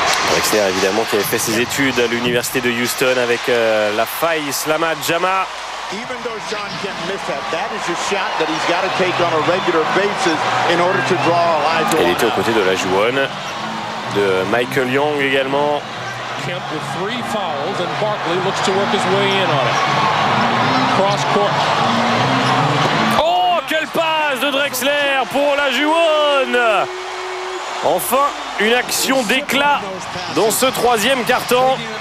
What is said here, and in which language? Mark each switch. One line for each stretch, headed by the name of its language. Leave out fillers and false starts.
French: Drexler évidemment qui avait fait ses études à l'université de Houston avec la faille Slama Jama.
English: Even though Sean can't miss that, that is a shot that he's got to take on a regular basis in order to draw Elijah.
French: Il était aux côtés de Olajuwon, de Michael Young également.
English: Kemp with three fouls and Barkley looks to work his way in on it. Cross court.
French: Oh, quelle passe de Drexler pour Olajuwon! Enfin, une action d'éclat dans ce troisième carton.